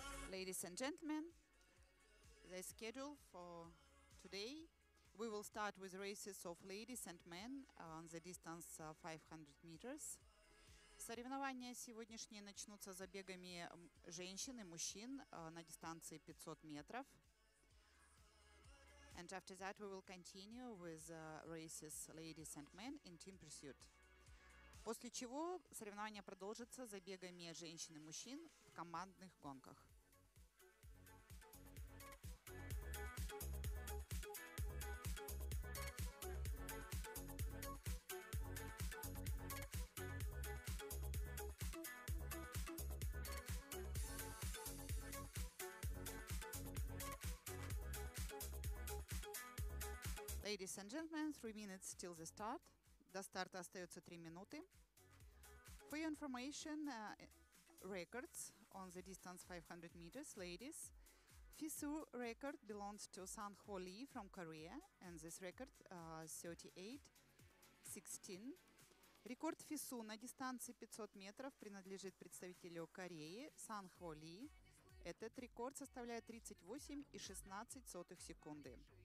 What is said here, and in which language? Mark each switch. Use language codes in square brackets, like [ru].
[en] Ladies and gentlemen, the schedule for today, we will start with races of ladies and men on the distance 500 meters. [ru] Соревнования сегодняшние начнутся забегами женщин и мужчин на дистанции 500 метров. [en] And after that we will continue with races ladies and men in team pursuit. [ru] После чего соревнования продолжатся забегами женщин и мужчин в командных гонках. [en] Ladies and gentlemen, 3 minutes till the start. [ru] До старта остается 3 минуты. [en] For your information, records on the distance 500 meters, ladies. FISU record belongs to San Ho Lee from Korea, and this record 38.16. [ru] Рекорд FISU на дистанции 500 метров принадлежит представителю Кореи San Ho Lee. Этот рекорд составляет 38.16 секунды.